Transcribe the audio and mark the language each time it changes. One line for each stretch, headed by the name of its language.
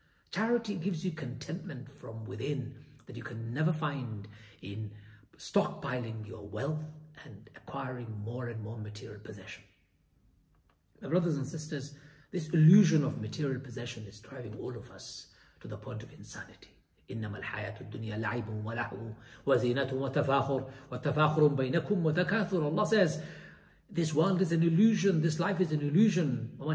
English: Charity gives you contentment from within that you can never find in stockpiling your wealth and acquiring more and more material possession. My brothers and sisters, this illusion of material possession is driving all of us to the point of insanity.
Arabic: إنما الحياة الدنيا لعب ولهو وزينة وتفاخر وتفاخر بينكم وتكاثر.
English: Allah says, this world is an illusion, this life is an illusion.